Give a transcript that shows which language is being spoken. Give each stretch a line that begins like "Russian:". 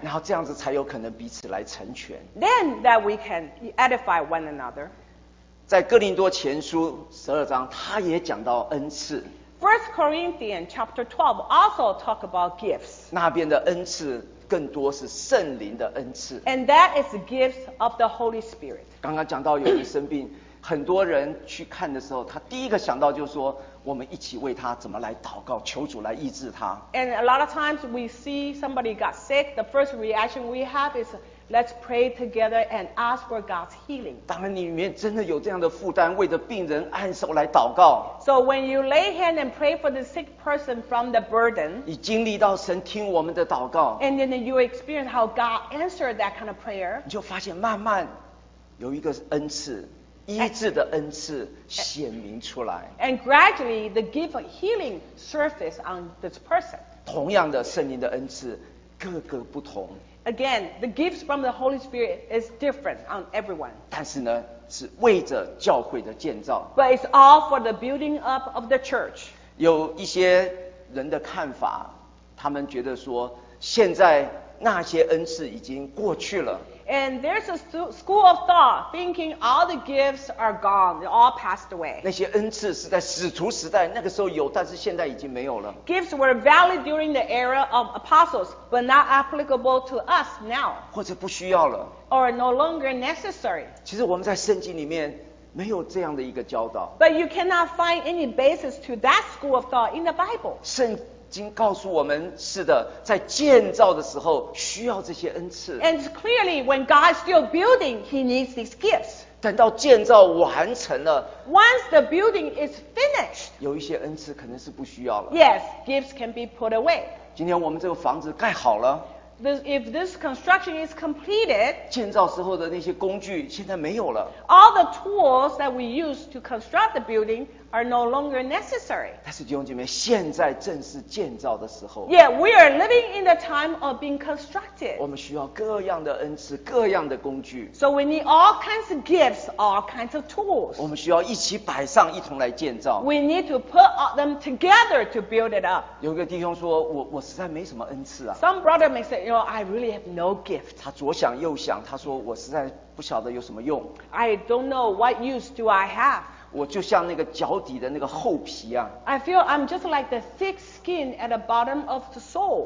Chinese: 然后这样子才有可能彼此来成全。
English: Then that we can edify one another.
Chinese: 在哥林多前书十二章，他也讲到恩赐。
English: First Corinthians chapter 12 also talk about gifts.
Chinese: 那边的恩赐更多是圣灵的恩赐。
English: And that is the gifts of the Holy Spirit.
Chinese: 刚刚讲到有人生病，很多人去看的时候，他第一个想到就是说，我们一起为他怎么来祷告，求主来医治他。
English: And a lot of times we see somebody got sick, the first reaction we have is let's pray together and ask for God's healing.
Chinese: 当然你里面真的有这样的负担，为着病人按手来祷告。
English: So when you lay hand and pray for the sick person from the burden,
Chinese: 你经历到神听我们的祷告。
English: And then you experience how God answered that kind of prayer.
Chinese: 你就发现慢慢有一个恩赐。医治的恩赐显明出来
English: and gradually the gift of healing surfaced on this person
Chinese: 同样的圣灵的恩赐各个不同
English: again the gifts from the Holy Spirit is different on everyone
Chinese: 但是呢是为着教会的建造
English: but it's all for the building up of the church
Chinese: 有一些人的看法他们觉得说现在那些恩赐已经过去了。
English: And there's a school of thought thinking all the gifts are gone, they all passed away.
Chinese: 那些恩赐是在使徒时代，那个时候有，但是现在已经没有了。
English: Gifts were valid during the era of apostles, but not applicable to us now.
Chinese: 或者不需要了。
English: Or no longer necessary.
Chinese: 其实我们在圣经里面没有这样的一个教导。
English: But you cannot find any basis to that school of thought in the Bible.
Chinese: 经告诉我们是的，在建造的时候需要这些恩赐。
English: And clearly, when God is still building, He needs these gifts.
Chinese: 等到建造完成了
English: ，Once the building is finished,
Chinese: 有一些恩赐可能是不需要了。
English: Yes, gifts can be put away.
Chinese: 今天我们这个房子盖好了。
English: If this construction is completed,
Chinese: 建造时候的那些工具现在没有了。
English: All the tools that we use to construct the building are no longer necessary.
Chinese: 但是弟兄姐妹，现在正是建造的时候。
English: Yeah, we are living in the time of being constructed.
Chinese: 我们需要各样的恩赐，各样的工具。
English: So we need all kinds of gifts, all kinds of tools.
Chinese: 我们需要一起摆上，一同来建造。
English: We need to put all them together to build it up.
Chinese: 有一个弟兄说，我实在没什么恩赐啊。
English: Some brother may say,You know, I really have no gift.
Chinese: 他左想右想，他说我实在不晓得有什么用。
English: I don't know what use do I have.
Chinese: 我就像那个脚底的那个厚皮啊。
English: I feel I'm just like the thick skin at the bottom of the sole.